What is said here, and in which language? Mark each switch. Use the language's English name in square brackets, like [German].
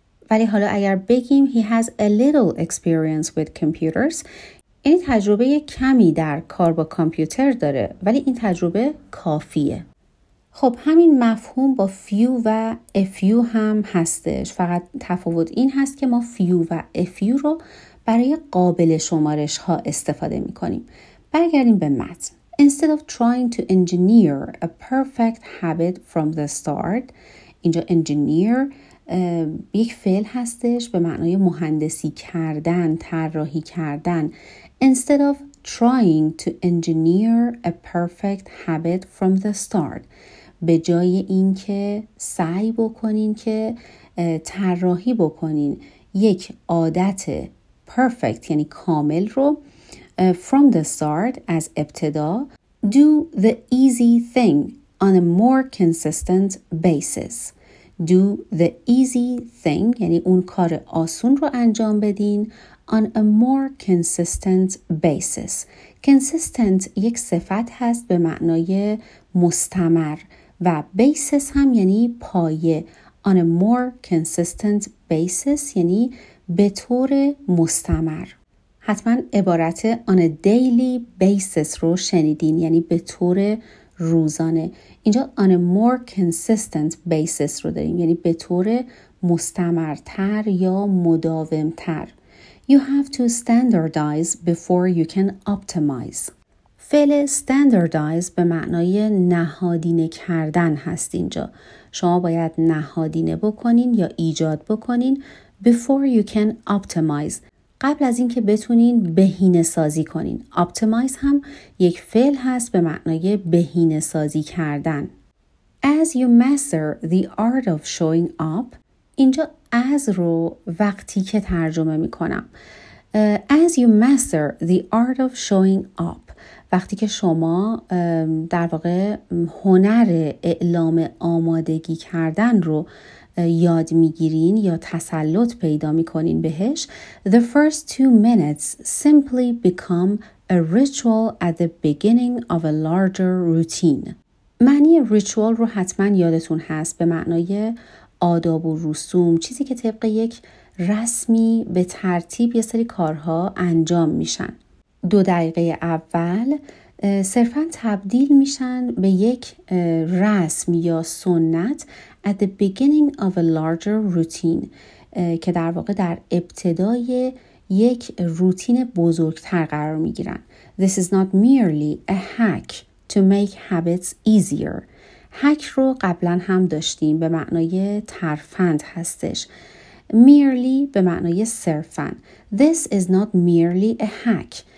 [Persian] ولی حالا اگر بگیم [English] He has a little experience with computers، [Persian] این تجربه کمی در کار با کامپیوتر داره، ولی این تجربه کافیه. خب همین مفهوم با few و a few هم هستش. فقط تفاوت این هست که ما few و a few رو برای قابل شمارش ها استفاده می کنیم. برگردیم به متن. [English] Instead of trying to engineer a perfect habit from the start، [Persian] اینجا engineer یک فعل هستش به معنای مهندسی کردن، طراحی کردن. [English] Instead of trying to engineer a perfect habit from the start، [Persian] به جای اینکه سعی بکنین که طراحی بکنین یک عادت [English] perfect [Persian] یعنی کامل رو، [English] from the start [Persian] از ابتدا، [English] do the easy thing on a more consistent basis. Do the easy thing [Persian] یعنی اون کار آسون رو انجام بدین [English] on a more consistent basis. [Persian] Consistent یک صفت هست به معنای مستمر و basis هم یعنی پایه. [English] On a more consistent basis [Persian] یعنی به طور مستمر. حتما عبارت [English] on a daily basis [Persian] رو شنیدین، یعنی به طور روزانه. اینجا [English] on a more consistent basis [Persian] رو داریم، یعنی به طور مستمرتر یا مداومتر. [English] You have to standardize before you can optimize. [Persian] فعل standardize به معنای نهادینه کردن هست اینجا. شما باید نهادینه بکنین یا ایجاد بکنین [English] before you can optimize، [Persian] قبل از این که بتونین بهینه سازی کنین. Optimize هم یک فعل هست به معنای بهینه سازی کردن. [English] As you master the art of showing up، [Persian] اینجا از رو وقتی که ترجمه می کنم. [English] As you master the art of showing up, [Persian] وقتی که شما در واقع هنر اعلام آمادگی کردن رو یاد میگیرین یا تسلط پیدا میکنین بهش, [English] the first two minutes simply become a ritual at the beginning of a larger routine. [Persian] معنی ritual رو حتما یادتون هست, به معنای آداب و رسوم, چیزی که طبق یک رسمی به ترتیب یه سری کارها انجام میشن. دو دقیقه اول صرفا تبدیل میشن به یک رسم یا سنت [English] at the beginning of a larger routine, [Persian] که در واقع در ابتدای یک روتین بزرگتر قرار میگیرن. [English] This is not merely a hack to make habits easier. [Persian] هک رو قبلا هم داشتیم, به معنای ترفند هستش. Merely به معنای صرفاً. [English] This is not merely a hack.